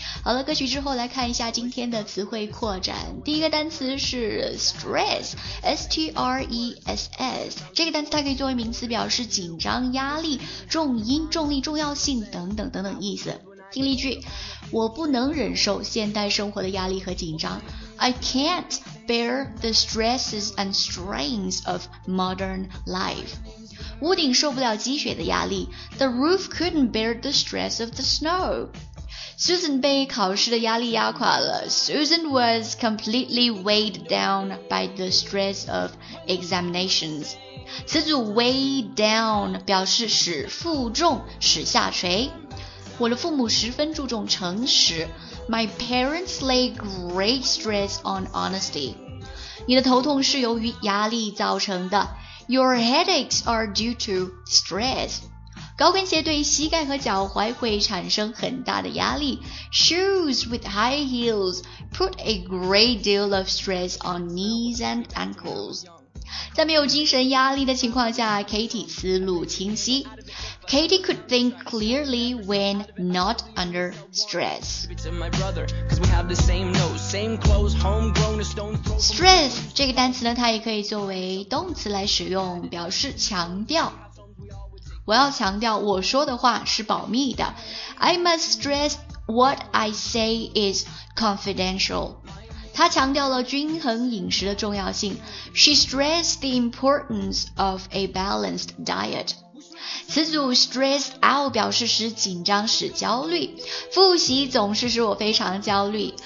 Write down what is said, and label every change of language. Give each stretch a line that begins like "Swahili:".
Chinese: 好了，歌曲之后来看一下今天的词汇扩展。第一个单词是 stress， S-T-R-E-S-S， 这个单词它可以作为名词表示紧张、压力、重音、重力、重要性等等等等意思。听例句，我不能忍受现代生活的压力和紧张。
English: I can't bear the stresses and strains of modern life.
Chinese: 屋顶受不了积雪的压力。
English: The roof couldn't bear the stress of the snow.
Chinese: Susan 被考试的压力压垮了。
English: Susan was completely weighed down by the stress of examinations.
Chinese: 此组 weighed down 表示使负重、使下垂。我的父母十分注重诚实。
English: My parents lay great stress on honesty.
Chinese: 你的头痛是由于压力造成的。
English: Your headaches are due to stress.
Chinese: 高跟鞋对膝盖和脚踝会产生很大的压力。
English: Shoes with high heels put a great deal of stress on knees and ankles.
Chinese: 在没有精神压力的情况下 Katie 思路清晰
English: Katie could think clearly when not under stress
Chinese: 这个单词呢它也可以作为动词来使用表示强调我要强调我说的话是保密的
English: I must stress what I say is confidential
Chinese: 他强调了均衡饮食的重要性。
English: She stressed the importance of a balanced diet.
Chinese: 此组 stressed out 表示使紧张使焦虑。复习总是使我非常焦虑。